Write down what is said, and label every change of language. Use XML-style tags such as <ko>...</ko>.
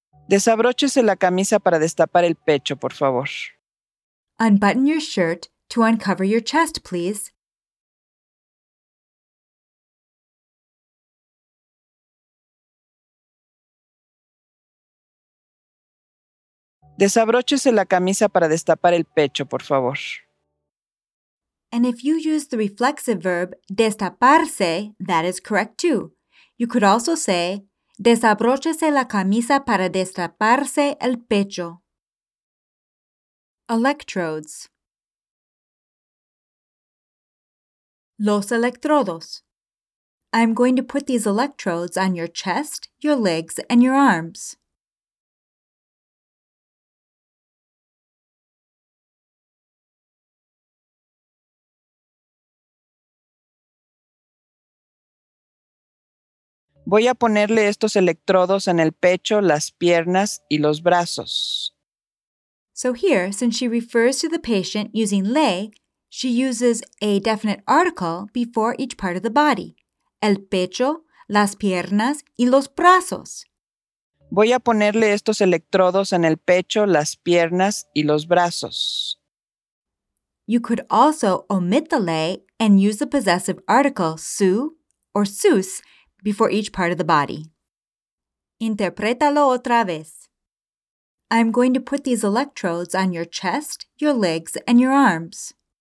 <es>Desabróchese la camisa para destapar el pecho, por favor.</es> <en>Unbutton your shirt to uncover your chest, please.</en> <es>Desabróchese la camisa para destapar el pecho, por favor.</es> <en>And if you use the reflexive verb destaparse, that is correct too. You could also say,</en> <es>desabróchese la camisa para destaparse el pecho.</es> <en>Electrodes.</en> <es>Los electrodos.</es> <en>I'm going to put these electrodes on your chest, your legs, and your arms.</en> <es>Voy a ponerle estos electrodos en el pecho, las piernas y los brazos.</es> <en>So here, since she refers to the patient using le, she uses a definite article before each part of the body.</en> <es>El pecho, las piernas y los brazos. Voy a ponerle estos electrodos en el pecho, las piernas y los brazos.</es> <en>You could also omit the le and use the possessive article su or sus before each part of the body.</en> <es>Interprétalo otra vez.</es> <en>I'm going to put these electrodes on your chest, your legs, and your arms.</en>